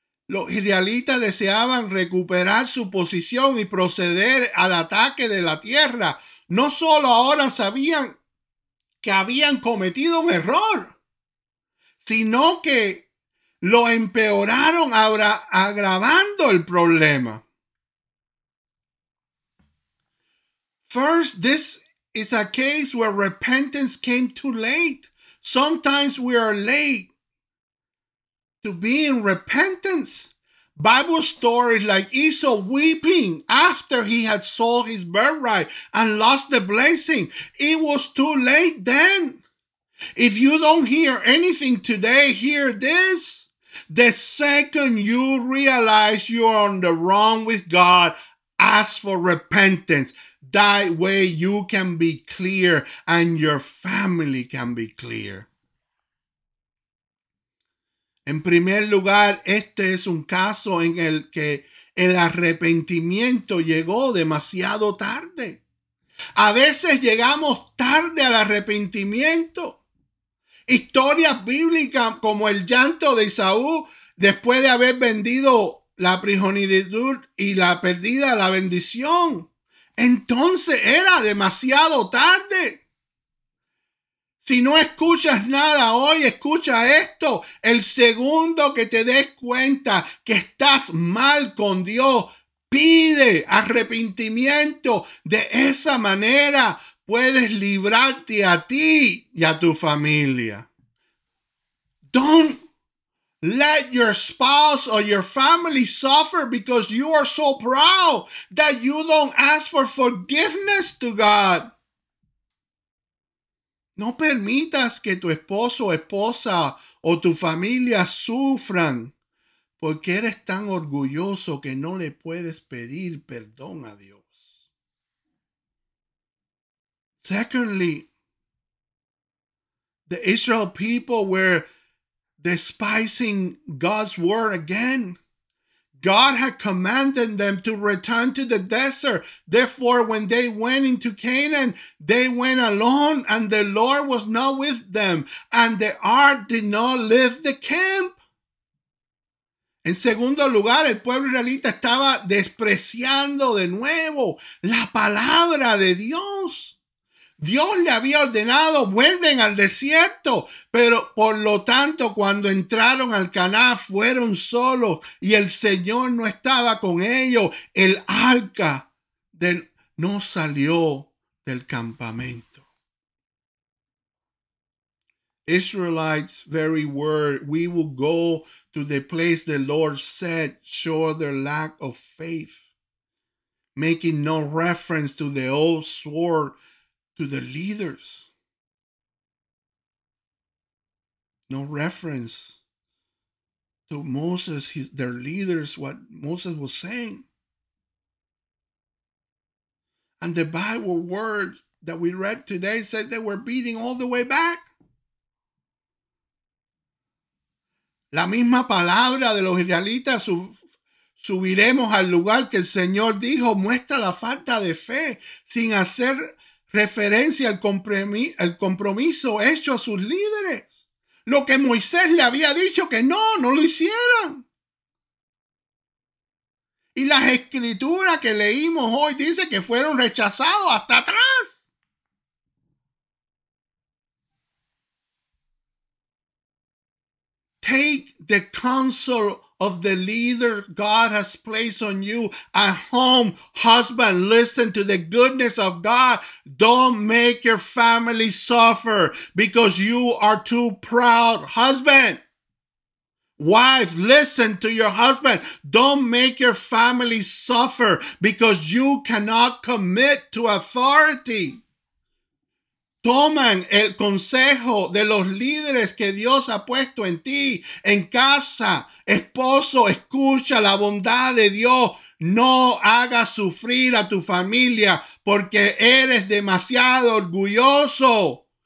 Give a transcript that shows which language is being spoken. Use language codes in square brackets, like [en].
[es] Los israelitas deseaban recuperar su posición y proceder al ataque de la tierra. No solo ahora sabían que habían cometido un error, sino que lo empeoraron agravando el problema. [en] First, this is a case where repentance came too late. Sometimes we are late to be in repentance. Bible stories like Esau weeping after he had sold his birthright and lost the blessing. It was too late then. If you don't hear anything today, hear this. The second you realize you are on the wrong with God, ask for repentance. That way you can be clear and your family can be clear. [es] En primer lugar, este es un caso en el que el arrepentimiento llegó demasiado tarde. A veces llegamos tarde al arrepentimiento. Historias bíblicas como el llanto de Esaú después de haber vendido la primogenitura y la perdida la bendición. Entonces era demasiado tarde. Si no escuchas nada hoy, escucha esto. El segundo que te des cuenta que estás mal con Dios, pide arrepentimiento. De esa manera puedes librarte a ti y a tu familia. [en] Don't let your spouse or your family suffer because you are so proud that you don't ask for forgiveness to God. [es] No permitas que tu esposo, esposa o tu familia sufran porque eres tan orgulloso que no le puedes pedir perdón a Dios. [en] Secondly, the Israel people were despising God's word again. God had commanded them to return to the desert. Therefore, when they went into Canaan, they went alone, and the Lord was not with them, and the ark did not leave the camp. [es] En segundo lugar, el pueblo israelita estaba despreciando de nuevo la palabra de Dios. Dios le había ordenado, vuelven al desierto, pero por lo tanto cuando entraron al Caná fueron solos y el Señor no estaba con ellos. El arca no salió del campamento. [en] Israelites' very word, we will go to the place the Lord said, show their lack of faith, making no reference to the old sword, to the leaders. No reference to Moses, their leaders, what Moses was saying. And the Bible words that we read today said they were beating all the way back. [es] La misma palabra de los israelitas, subiremos al lugar que el Señor dijo, muestra la falta de fe sin hacer referencia al compromiso hecho a sus líderes. Lo que Moisés le había dicho que no lo hicieran. Y las escrituras que leímos hoy dice que fueron rechazados hasta atrás. [en] Take the counsel of the leader God has placed on you at home. Husband, listen to the goodness of God. Don't make your family suffer because you are too proud. Husband, wife, listen to your husband. Don't make your family suffer because you cannot commit to authority. [es] Toman el consejo de los líderes que Dios ha puesto en ti, en casa. Esposo, escucha la bondad de Dios. No hagas sufrir a tu familia porque eres demasiado orgulloso.